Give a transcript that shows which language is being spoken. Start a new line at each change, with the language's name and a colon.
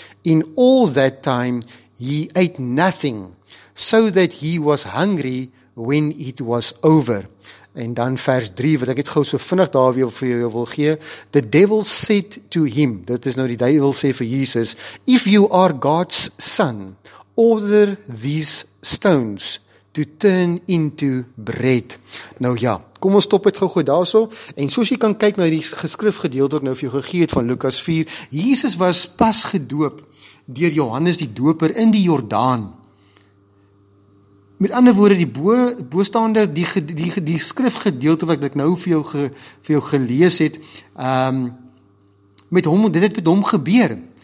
English: In all that time he ate nothing so that he was hungry when it was over.
Afrikaans: En dan vers 3 wat ek het gou so vinnig daar weer vir jou wil gee.
English: The devil said to him,
Afrikaans: dit is nou die duivel sê vir Jesus,
English: if you are God's son, order these stones to turn into bread.
Afrikaans: Nou ja, kom ons stop het gou-gou daarso. En soos jy kan kyk na die geskrifgedeelte wat nou vir jou gegee het van Lukas 4, Jesus was pas gedoop deur Johannes die Doper in die Jordaan. Met ander woorde, die skrifgedeelte wat ek nou vir jou gelees het, dit het met hom gebeur.